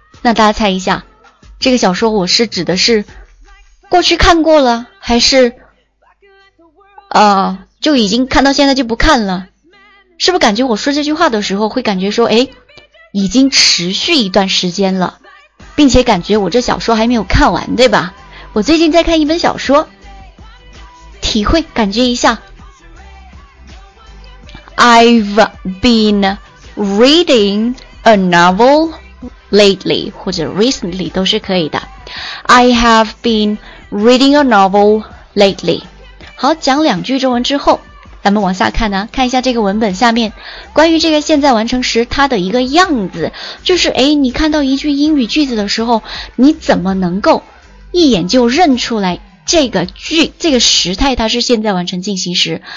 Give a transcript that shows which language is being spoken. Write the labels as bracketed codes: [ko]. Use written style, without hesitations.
[zh] 那大家猜一下，这个小说我是指的是过去看过了，还是就已经看到现在就不看了？是不是感觉我说这句话的时候会感觉说，诶，已经持续一段时间了，并且感觉我这小说还没有看完，对吧？我最近在看一本小说，体会感觉一下。 [en] I've been reading a novel lately, 或者 recently 都是可以的。 I have been reading a novel lately。 [zh] 好，讲两句中文之后，咱们往下看呢，看一下这个文本下面关于这个现在完成时它的一个样子，就是诶，你看到一句英语句子的时候，你怎么能够一眼就认出来这个句这个时态它是现在完成进行时。